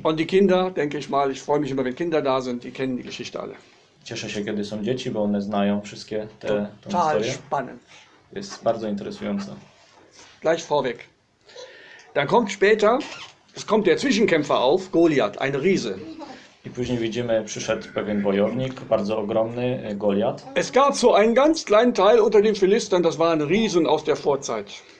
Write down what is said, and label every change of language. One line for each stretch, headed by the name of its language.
German: Und die Kinder, denke ich mal, ich freue mich immer, wenn Kinder da sind, die kennen die Geschichte alle.
Polish: Cieszę się, kiedy są dzieci, bo one znają wszystkie te historie.
German: Total spannend.
Polish: Jest bardzo interesujące.
German: Gleich vorweg. Dann kommt später, es kommt der Zwischenkämpfer auf, Goliath, ein Riese.
Polish: I później widzimy, przyszedł pewien wojownik, bardzo ogromny, Goliath.
German: Es gab so einen ganz kleinen Teil unter den Philistern, das waren Riesen aus der Vorzeit.